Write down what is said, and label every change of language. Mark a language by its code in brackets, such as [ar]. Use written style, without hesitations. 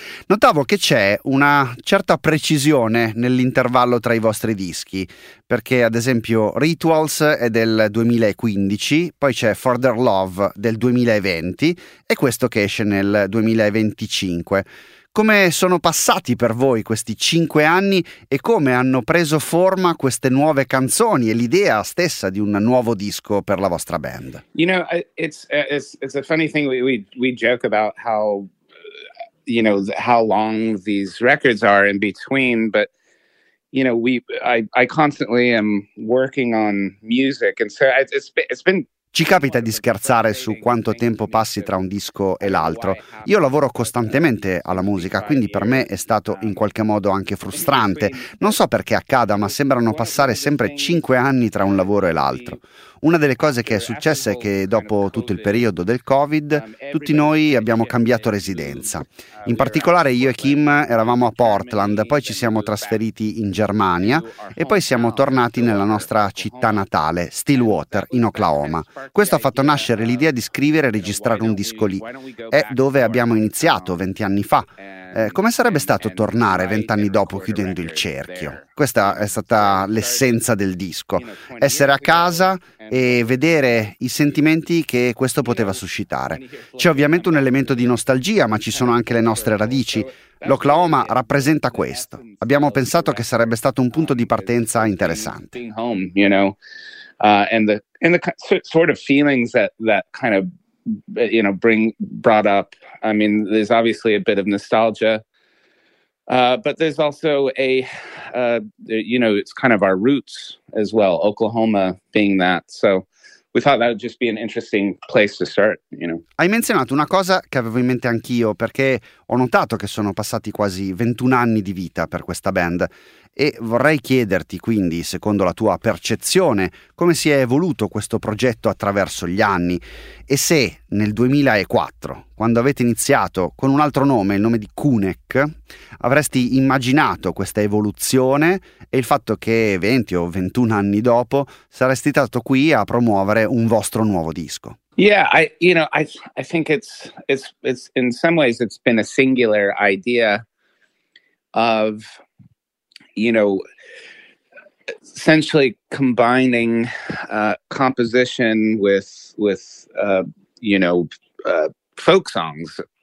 [it] Notavo che c'è una certa precisione nell'intervallo tra i vostri dischi, perché ad esempio Rituals è del 2015, poi c'è Further Love del 2020 e questo che esce nel 2025. Come sono passati per voi questi 5 anni e come hanno preso forma queste nuove canzoni e l'idea stessa di un nuovo disco per la vostra band? [en] You know, it's a funny thing. We joke about how, you know, how long these records are in between, but you know, I constantly am working on music, and so it's been [it] Ci capita di scherzare su quanto tempo passi tra un disco e l'altro. Io lavoro costantemente alla musica, quindi per me è stato in qualche modo anche frustrante. Non so perché accada, ma sembrano passare sempre 5 anni tra un lavoro e l'altro. Una delle cose che è successa è che dopo tutto il periodo del Covid, tutti noi abbiamo cambiato residenza. In particolare io e Kim eravamo a Portland, poi ci siamo trasferiti in Germania e poi siamo tornati nella nostra città natale, Stillwater, in Oklahoma. Questo ha fatto nascere l'idea di scrivere e registrare un disco lì. È dove abbiamo iniziato 20 anni fa. Come sarebbe stato tornare 20 anni dopo chiudendo il cerchio? Questa è stata l'essenza del disco. Essere a casa e vedere i sentimenti che questo poteva suscitare. C'è ovviamente un elemento di nostalgia, ma ci sono anche le nostre radici. L'Oklahoma rappresenta questo. Abbiamo pensato che sarebbe stato un punto di partenza interessante. [en] And the sort of feelings that kind of, you know, brought up. I mean, there's obviously a bit of nostalgia, but there's also it's kind of our roots as well, Oklahoma being that. So we thought that would just be an interesting place to start, you know. [it] Hai menzionato una cosa che avevo in mente anch'io, perché ho notato che sono passati quasi 21 anni di vita per questa band. E vorrei chiederti quindi, secondo la tua percezione, come si è evoluto questo progetto attraverso gli anni e se nel 2004, quando avete iniziato con un altro nome, il nome di Kunek, avresti immaginato questa evoluzione e il fatto che 20 o 21 anni dopo saresti stato qui a promuovere un vostro nuovo disco. [en] Yeah, I think it's in some ways it's been a singular idea of, you know, essentially combining composition with folk songs.